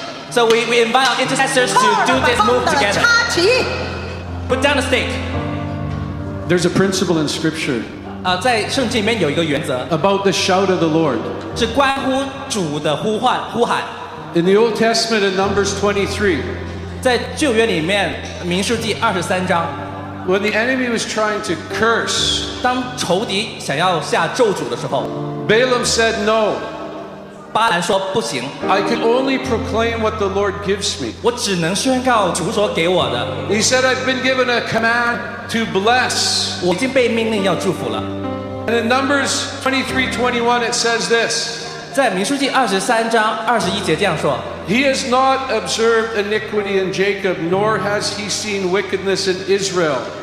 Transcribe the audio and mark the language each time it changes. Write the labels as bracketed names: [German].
[English] So we invite our intercessors to do this move together. Put down the stake. There's a principle in scripture. [Chinese] 在圣经里面有一个原则 [English] about the shout of the Lord. [Chinese] 是关乎主的呼唤。 [English] In the Old Testament in Numbers 23. [Chinese] 在旧约里面民数记23章。 [English] When the enemy was trying to curse, [Chinese] 当仇敌想要下咒诅的时候, [English] Balaam said no. [Chinese] 巴兰说不行, [English] I can only proclaim what the Lord gives me. [Chinese] 我只能宣告主所给我的。 [English] He said, I've been given a command to bless. [Chinese] 我已经被命令要祝福了。 [English] And in Numbers 23:21, it says this. [Chinese] 在民数记23章21节这样说, [English] He has not observed iniquity in Jacob, nor has he seen wickedness in Israel.